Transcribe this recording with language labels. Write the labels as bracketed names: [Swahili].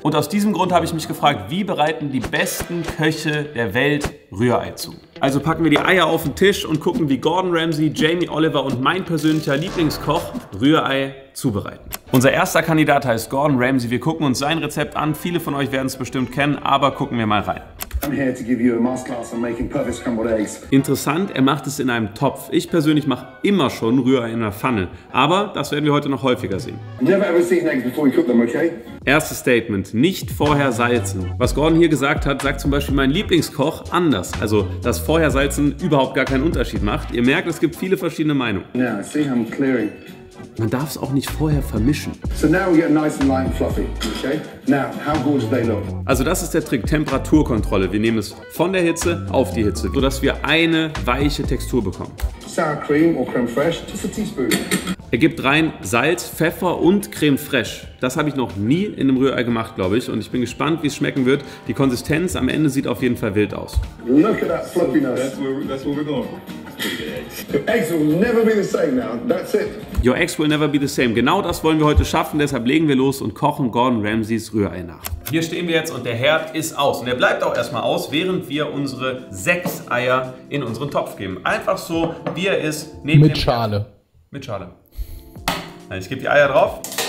[German] Und aus diesem Grund habe ich mich gefragt, wie bereiten die besten Köche der Welt Rührei zu? Also packen wir die Eier auf den Tisch und gucken, wie Gordon Ramsay, Jamie Oliver und mein persönlicher Lieblingskoch Rührei zubereiten. Unser erster Kandidat heißt Gordon Ramsay. Wir gucken uns sein Rezept an. Viele von euch werden es bestimmt kennen, aber gucken wir mal rein. [English] I'm here to give you a masterclass on making perfect scrambled eggs. [German] Interessant, er macht es in einem Topf. Ich persönlich mache immer schon Rührei in einer Pfanne. Aber das werden wir heute noch häufiger sehen. [English] Never ever seen eggs before you cook them, okay? [German] Erstes Statement, nicht vorher salzen. Was Gordon hier gesagt hat, sagt zum Beispiel mein Lieblingskoch anders. Also, dass vorher salzen überhaupt gar keinen Unterschied macht. Ihr merkt, es gibt viele verschiedene Meinungen. [English] Yeah, see, I'm clearing. [German] Man darf es auch nicht vorher vermischen. [English] So now we get nice and light and fluffy, okay? Now, how good do they look? [German] Also das ist der Trick, Temperaturkontrolle. Wir nehmen es von der Hitze auf die Hitze, sodass wir eine weiche Textur bekommen. [English] Sour cream or creme fraiche, just a teaspoon. [German] Er gibt rein Salz, Pfeffer und Creme fraiche. Das habe ich noch nie in einem Rührei gemacht, glaube ich. Und ich bin gespannt, wie es schmecken wird. Die Konsistenz am Ende sieht auf jeden Fall wild aus. [English] Look at that fluffiness. That's where we're going. Your eggs will never be the same now. That's it. Your eggs will never be the same. [German] Genau das wollen wir heute schaffen. Deshalb legen wir los und kochen Gordon Ramsays Rührei nach. Hier stehen wir jetzt und der Herd ist aus. Und er bleibt auch erstmal aus, während wir unsere 6 Eier in unseren Topf geben. Einfach so, wie er ist. Neben mit Schale. Mit Schale. Ich gebe die Eier drauf.